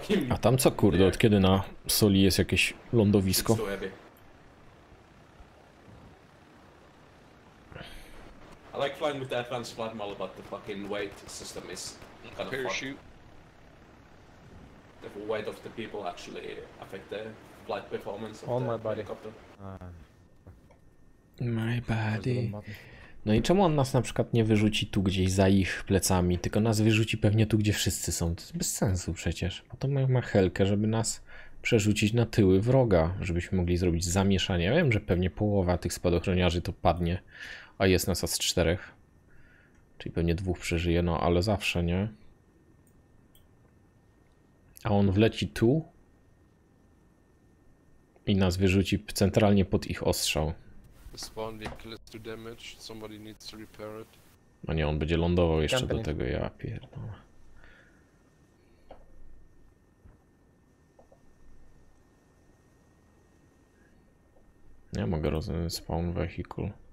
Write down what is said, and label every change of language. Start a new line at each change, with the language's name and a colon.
Polish: A tam co, kurde, od kiedy na soli jest jakieś lądowisko?
English: I like flying with the advanced flight model, but the fucking weight system is kind of fucked. The weight of the people actually affect the flight performance of the helicopter. My body.
Polish: No i czemu on nas na przykład nie wyrzuci tu gdzieś za ich plecami, tylko nas wyrzuci pewnie tu, gdzie wszyscy są? To jest bez sensu przecież. A to ma helkę, żeby nas przerzucić na tyły wroga, żebyśmy mogli zrobić zamieszanie. Ja wiem, że pewnie połowa tych spadochroniarzy to padnie, a jest nas z czterech. Czyli pewnie dwóch przeżyje, no ale zawsze, nie? A on wleci tu i nas wyrzuci centralnie pod ich ostrzał.
English: Spawn vehicle is too damaged, somebody needs to repair it.
Polish: No nie, on będzie lądował jeszcze do tego, ja pierdolę. Ja mogę rozwiązać spawn vehicle.